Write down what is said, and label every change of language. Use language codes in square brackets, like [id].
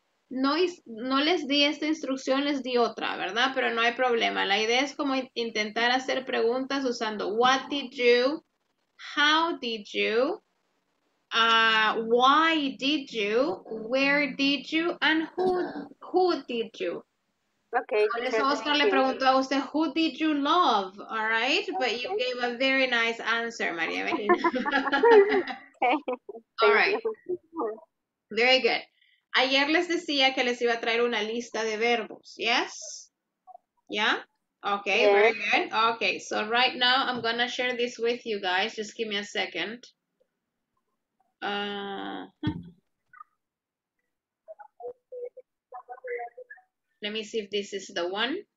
[es] No les di esta instrucción, les di otra, ¿verdad? Pero no hay problema. La idea es como intentar hacer preguntas usando [en] what did you, how did you, [es] why did you, where did you, and who did you. [en] Okay. [es] Por eso Oscar le preguntó a usted, [en] who did you love, [es] all right? Okay. [en] But you gave a very nice answer, María Melina. Okay. All right. Very good. [es] Ayer les decía que les iba a traer una lista de verbos, yes? [en] Yeah? Okay, yeah. Very good. Okay, so right now I'm gonna share this with you guys. Just give me a second. Let me see if this is the one.